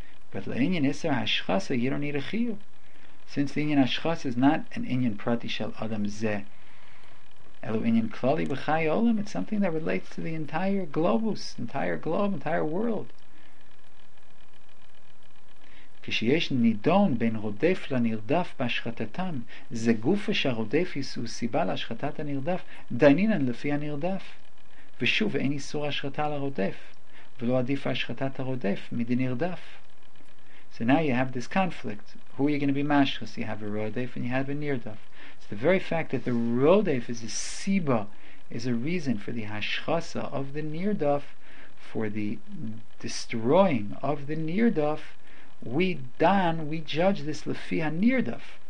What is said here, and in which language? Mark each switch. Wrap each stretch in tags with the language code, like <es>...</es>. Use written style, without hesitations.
<en>But</en> <he>le'inyan isser hashchasa,</he> <en>you don't need a chiyuv. Since the inyan hashchasa is not an</en> <he>inyan prati shel adam zeh, elu inyan klali b'chay olam,</he> <en>it's something that relates to the entire globus, entire globe, entire world.</en> <he>כשיש נידון בין רודף לנרדף בהשחטתם, זה גוף שהרודף הוא סיבה להשחטת הנרדף, דיינינן לפי הנרדף. ושוב, אין איסור השחטה לרודף, ולא עדיף השחטת הרודף מדי נרדף.</he> <en>So now you have this conflict. Who are you going to be mashrus? You have a rodef and you have a nirdef. So the very fact that the rodef is a siba, is a reason for the hashchasa of the nirdef, for the destroying of the nirdef, we judge this</en> <he>lefi hanirdef.</he>